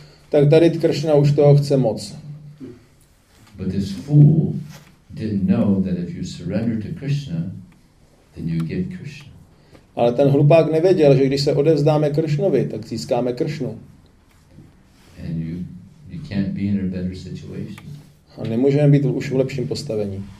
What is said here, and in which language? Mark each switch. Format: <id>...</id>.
<cs>Tak tady Krishna už toho chce moc.</cs> <en>But this fool didn't know that if you surrender to Krishna, then you get Krishna.</en> <cs>Ale ten hlupák nevěděl, že když se odevzdáme Kršnovi, tak získáme Kršnu.</cs> <en>And you can't be in a better situation.</en> <cs>A nemůžeme být už v lepším postavení.</cs>